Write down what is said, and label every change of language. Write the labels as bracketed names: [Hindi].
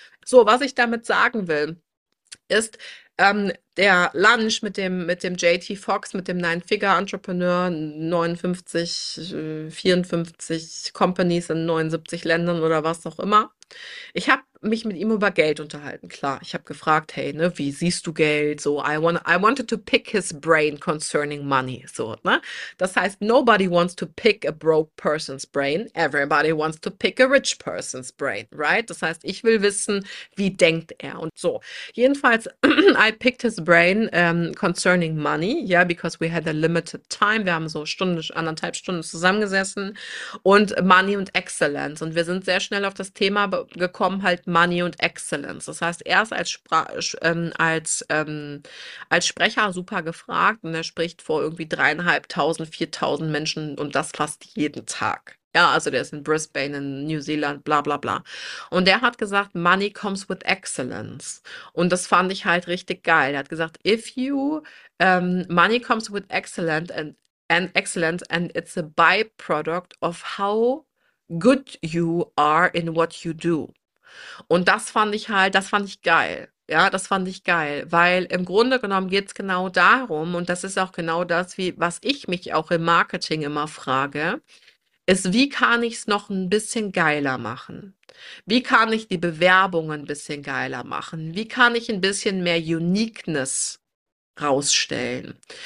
[German] So, was ich damit sagen will, ist, der Lunch mit dem JT Fox, mit dem Nine-Figure-Entrepreneur, 59, 54 Companies in 79 Ländern oder was auch immer. Ich habe mich mit ihm über Geld unterhalten, klar. Ich habe gefragt, hey, ne, wie siehst du Geld? [English] So, I wanted to pick his brain concerning money. So, ne? [German] Das heißt, [English] nobody wants to pick a broke person's brain. Everybody wants to pick a rich person's brain, right? [German] Das heißt, ich will wissen, wie denkt er? Und so. Jedenfalls, [English] I picked his brain concerning money, yeah, because we had a limited time. [German] Wir haben so Stunde, anderthalb Stunden zusammengesessen und Money und Excellence. Und wir sind sehr schnell auf das Thema gekommen, halt Money und Excellence. Das heißt, er ist als Sprecher super gefragt und er spricht vor irgendwie 3.500, 4.000 Menschen und das fast jeden Tag. Ja, also der ist in Brisbane, in New Zealand, bla bla bla. Und der hat gesagt, [English] Money comes with Excellence. [German] Und das fand ich halt richtig geil. Er hat gesagt, [English] if you, Money comes with Excellence and it's a byproduct of how good you are in what you do. [German] Und das fand ich halt, das fand ich geil. Ja, das fand ich geil, weil im Grunde genommen geht es genau darum, und das ist auch genau das, wie was ich mich auch im Marketing immer frage, ist, wie kann ich es noch ein bisschen geiler machen? Wie kann ich die Bewerbung ein bisschen geiler machen? Wie kann ich ein bisschen mehr Uniqueness rausstellen?